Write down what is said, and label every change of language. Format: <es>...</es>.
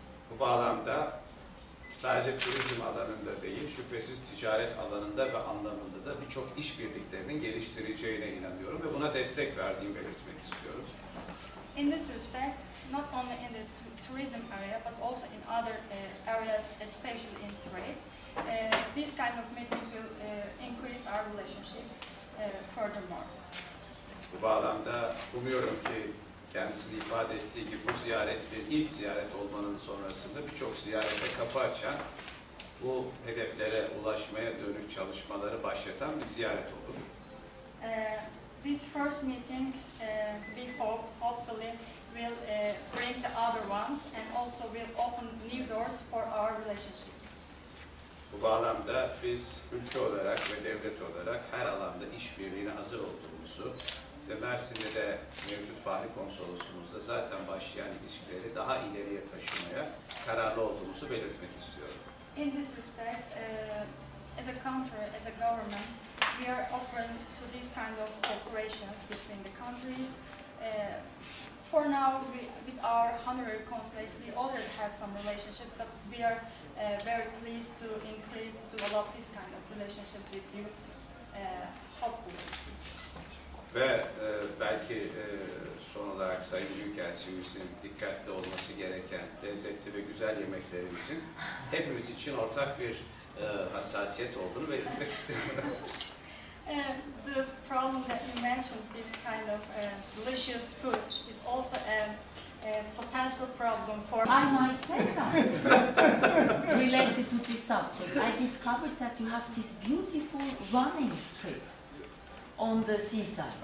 <tr>Bu bağlamda sadece turizm alanında değil, şüphesiz ticaret alanında ve anlamında da birçok işbirliklerinin geliştireceğine inanıyorum ve buna destek verdiğimi belirtmek istiyorum.</tr> <en>In this respect, not only in the tourism area, but also in other areas, especially in trade, this kind of meetings will increase our relationships furthermore.</en> <tr>Bu bağlamda umuyorum ki kendisini ifade ettiği gibi bu ziyaret ve ilk ziyaret olmanın sonrasında birçok ziyarete kapı açan, bu hedeflere ulaşmaya dönük çalışmaları başlatan bir ziyaret olur.</tr> <en>This first meeting, we hope, hopefully, will bring the other ones and also will open new doors for our relationships.</en> <tr>Bu bağlamda biz ülke olarak ve devlet olarak her alanda işbirliğine hazır olduğumuzu ve Mersin'de de mevcut Fahri Konsolosluğumuzda zaten başlayan ilişkileri daha ileriye taşımaya kararlı olduğumuzu belirtmek istiyorum.</tr> <en>In this respect, as a country, as a government, we are open to this kind of cooperation between the countries. For now, with our honorary consulates, we already have some relationship, but we are very pleased to increase, to develop this kind of relationships with you, hopefully.</en> <tr>Ve belki son olarak Sayın Büyükelçimizin dikkatli olması gereken lezzetli ve güzel yemeklerimizin hepimiz için ortak bir hassasiyet olduğunu belirtmek istiyorum.</tr> <en>The problem that you mentioned, this kind of delicious food, is also a potential problem for... I might say something related to this subject. I discovered that you have this beautiful running strip on the seaside.</en>